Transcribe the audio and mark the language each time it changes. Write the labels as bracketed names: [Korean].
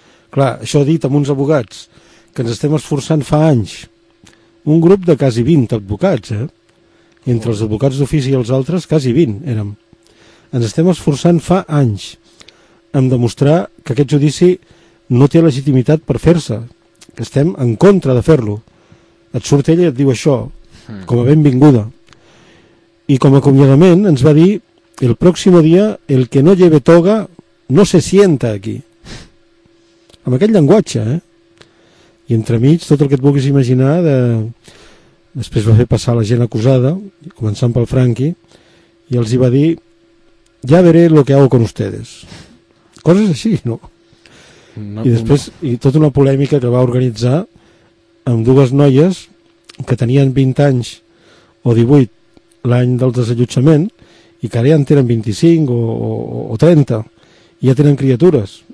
[Catalan] Clar, això dit amb uns advocats que ens estem esforçant fa anys, un grup de quasi 20 advocats, entre els advocats d'ofici i els altres, quasi 20 érem. Ens estem esforçant fa anys en demostrar que aquest judici no té legitimitat per fer-se, que estem en contra de fer-lo. Et surt ella i et diu això, com a benvinguda. I com a acomiadament ens va dir: [Spanish] el próximo día, el que no lleve toga, no se sienta aquí. [Catalan] Amb aquest llenguatge, I entremig, tot el que et vulguis imaginar, després va fer passar la gent acusada, començant pel Franqui, i els hi va dir: [Spanish] ya veré lo que hago con ustedes. [Catalan] Coses així, no? I després, i tota una polèmica que va organitzar amb dues noies que tenien 20 anys o 18 l'any del desallotjament i que ara ja en tenen 25 o 30 i ja tenen criatures.